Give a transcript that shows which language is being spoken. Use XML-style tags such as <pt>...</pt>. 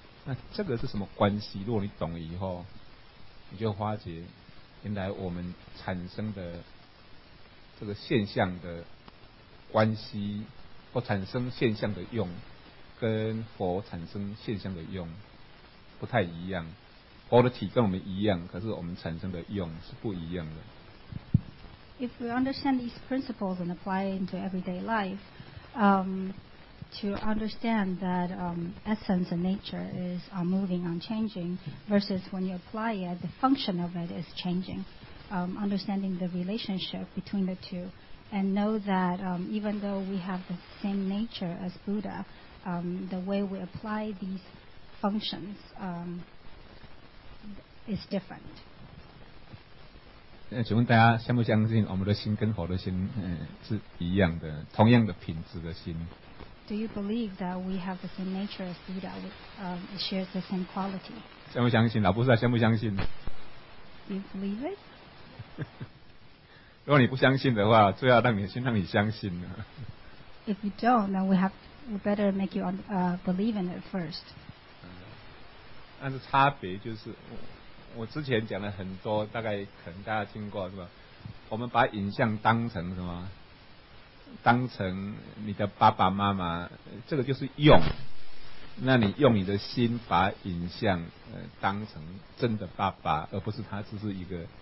<zh>那这个是什么关系？如果你懂了以后，你就发觉原来我们产生的这个现象的关系，或产生现象的用，跟佛产生现象的用不太一样。佛的体跟我们一样，可是我们产生的用是不一样的。</zh> <en>If we understand these principles and apply it into everyday life, to understand that essence and nature is moving, unchanging, versus when you apply it, the function of it is changing. Understanding the relationship between the two, and know that even though we have the same nature as Buddha, the way we apply these functions is different.</en> <zh>请问大家相不相信我们的心跟佛的心是一样的，同样的品质的心？</zh> <en>Do you believe that we have the same nature as Buddha? It shares the same quality.</en> <zh>相不相信？老菩萨相不相信？</zh> <en>Do you believe it?</en> <zh>如果你不相信的话，最好让你先让你相信了。</zh> <en>If you don't, then we better make you believe in it first.</en> <zh>但是差别就是，我之前讲了很多，大概可能大家听过是吧？我们把影像当成什么？当成你的爸爸妈妈，这个就是用。那你用你的心把影像当成真的爸爸，而不是他只是一个。</zh>